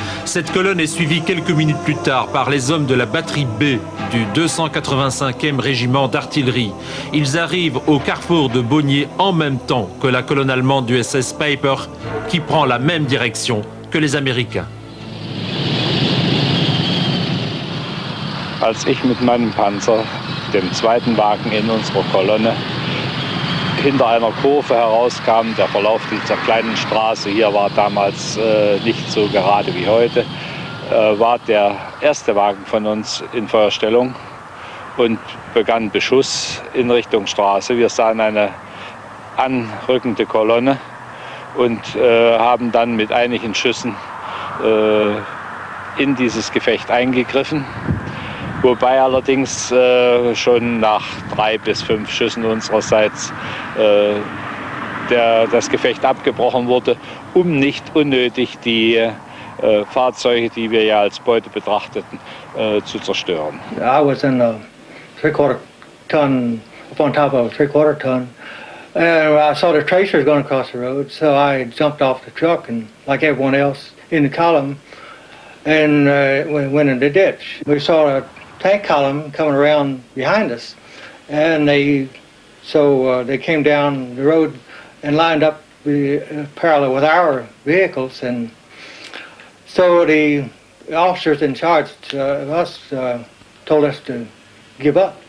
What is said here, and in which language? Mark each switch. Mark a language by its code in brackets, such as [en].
[fr] Cette colonne est suivie quelques minutes plus tard par les hommes de la batterie B du 285e régiment d'artillerie. Ils arrivent au carrefour de Bonnier en même temps que la colonne allemande du SS Piper qui prend la même direction que les Américains. [de] Als ich mit meinem Panzer dem zweiten Wagen in unserer Kolonne hinter einer Kurve herauskam, der Verlauf dieser kleinen Straße hier war damals nicht so gerade wie heute, war der erste Wagen von uns in Feuerstellung und begann Beschuss in Richtung Straße. Wir sahen eine anrückende Kolonne und haben dann mit einigen Schüssen in dieses Gefecht eingegriffen. Wobei allerdings schon nach 3 bis 5 Schüssen unsererseits das Gefecht abgebrochen wurde, um nicht unnötig die Fahrzeuge, die wir ja als Beute betrachteten, zu zerstören. [en] I was in a 3/4 ton, up on top of a 3/4 ton, and I saw the tracers going across the road, so I jumped off the truck and like everyone else in the column and went in the ditch. We saw a tank column coming around behind us, and they came down the road and lined up parallel with our vehicles, and so the officers in charge of us told us to give up.